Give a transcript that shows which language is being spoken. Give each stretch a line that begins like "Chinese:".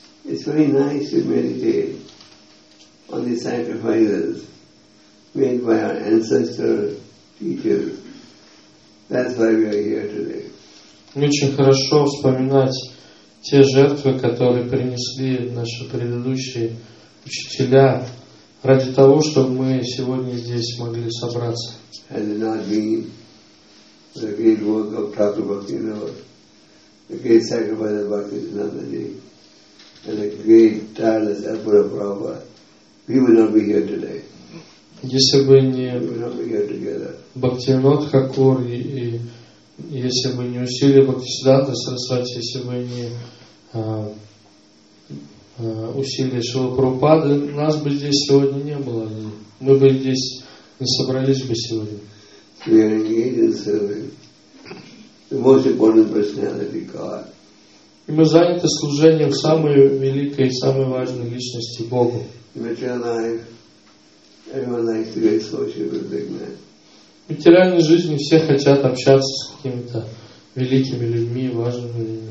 Russian: Очень хорошо вспоминать те жертвы, которые принесли наши предыдущие учителя, ради того, чтобы мы сегодня здесь могли собраться.
English: Had it not been the great work of Prabhupada Bhaktivinoda, the great sacrifice of Bhaktivinoda, and the great tireless effort of Prabhupada, we would not be here today.
Russian: Если бы не Бхактивинода Тхакур и если бы не усилия Бхактисиддханты Сарасвати, если бы не усилия Шрилы Прабхупады, нас бы здесь сегодня не было. Мы бы здесь не собрались бы сегодня.
English: We are engaged in serving the most important personality, God.
Russian: И мы заняты служением самой великой и самой важной личности, Богу.
English: In material life, everyone likes to get associated with big men.
Russian: В материальной жизни все хотят общаться с какими-то великими людьми, важными людьми.